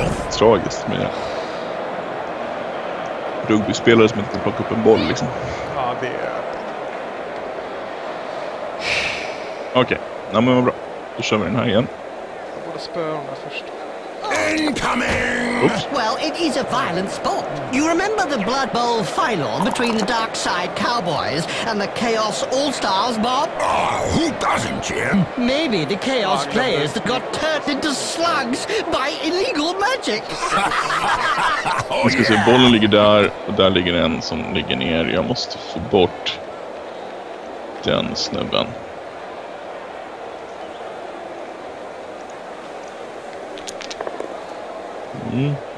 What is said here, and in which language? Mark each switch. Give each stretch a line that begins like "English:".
Swedish: Tragiskt, men ja. Rugbyspelare som inte kan plocka upp en boll, liksom. Ja, det är... Okej, okay. Ja, men vad bra. Då kör vi den här igen. Jag borde spöra den här först.
English: Incoming! Oops. Well, it is a violent sport. You remember the Blood Bowl final between the Dark Side Cowboys and the Chaos All-Stars, Bob? Oh, who doesn't, Jim? Maybe the Chaos players that got turned into slugs by illegal magic. Oh, yeah.
Swedish: Jag ska se, bollen ligger där och där ligger en som ligger ner. Jag måste få bort den snubben. Mm.